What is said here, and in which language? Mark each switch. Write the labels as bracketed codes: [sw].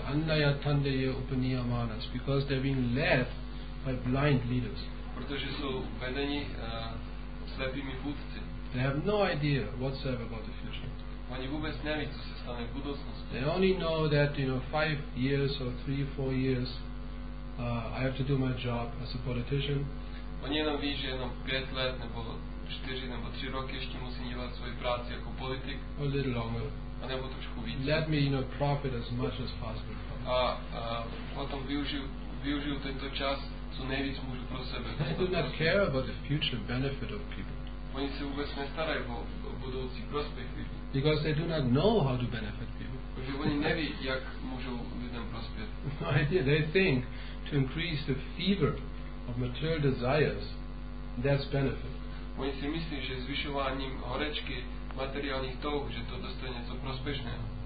[sa] Annaya tandeye upaniyamanas, [en] because they're being led by blind leaders. [cs] Protože jsou vedeni slepými vůdci. [en] They have no idea whatsoever about the future. [cs] Oni vůbec neví, co se stane v budoucnosti. [en] They only know that, 5 years or 3-4 years, I have to do my job as a politician. [cs] Oni jenom ví, že jenom 5 let, nebo 4 nebo 3 roky ještě musím dělat svoji práci jako politik. [en] A little longer. [cs] A nebo trošku víc. [en] Let me, profit as much as possible. [cs] A potom využiju tento čas, co nejvíc můžu pro sebe. [en] They do not care about the future benefit of people. [cs] Oni se vůbec nestarají o budoucí prospěch lidí. [en] Because they do not know how to benefit people. [cs] Protože oni neví, jak můžou lidem prospět. [en] They think to increase the fever of material desires, that's benefit. [cs] Oni si myslí, že zvyšováním horečky materiálních touh, že to dostane něco prospěšného.